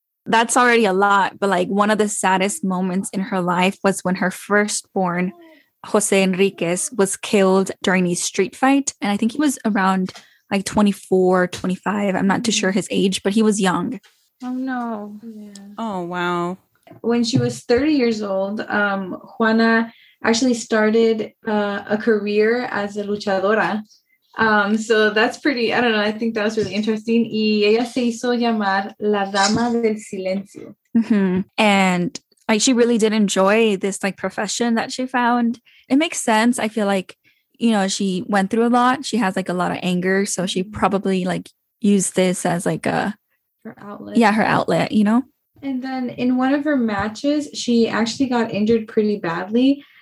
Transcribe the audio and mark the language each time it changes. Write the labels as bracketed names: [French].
[English] That's already a lot, but, like, one of the saddest moments in her life was when her firstborn, Jose Enriquez, was killed during a street fight, and I think he was around, like, 24, 25. I'm not too sure his age, but he was young. Oh, no. Yeah. Oh, wow. When she was 30 years old, Juana actually started a career as a luchadora. So that's pretty, I don't know, I think that was really interesting. [Spanish] Y ella se hizo llamar la dama del silencio. [English] Mm-hmm. And, like, she really did enjoy this, like, profession that she found. It makes sense. I feel like, you know, she went through a lot. She has, like, a lot of anger. So she probably, like, used this as, like, a... her outlet. Yeah, her outlet, you know? And then in one of her matches, she actually got injured pretty badly.